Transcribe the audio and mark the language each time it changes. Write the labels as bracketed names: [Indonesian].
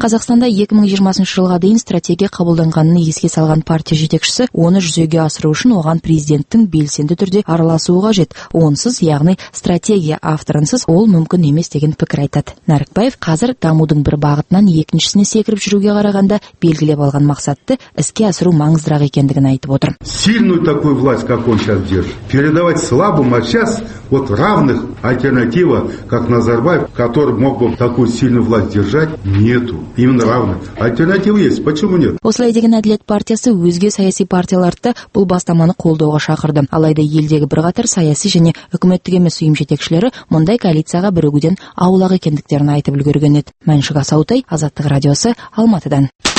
[Kazakh] Қазақстанда 2020 жылға дейін стратегия қабылданғанын еске салған партия жетекшісі, оны жүзеге асыру үшін оған президенттің белсенді түрде араласуы қажет. Онсыз, яғни стратегия авторынсыз ол мүмкін емес деген пікір айтады. Нәрікбаев қазір дамудың бір бағытынан екіншісіне секіріп жүруге қарағанда белгілеп алған мақсатты іске асыру маңыздырақ екендігін айтып отыр. [Russian] Сильную такую власть, как он сейчас держит, передавать слабым, а сейчас вот равных альтернатива, как Назарбаев, который мог бы такую сильную власть держать, нету. Именно равных. Альтернатива есть, почему нет? [Kazakh] Осылай деген әділет партиясы өзге саяси партияларды бұл бастаманы қолдауға шақырды. Алайда елдегі бірқатар саяси және үкіметтік емес ұйым жетекшілері мұндай коалицияға бірігуден аулақ екендіктерін айтып үлгерген еді. Мәншік Асаутай, Азаттық радиосы, Алматыдан.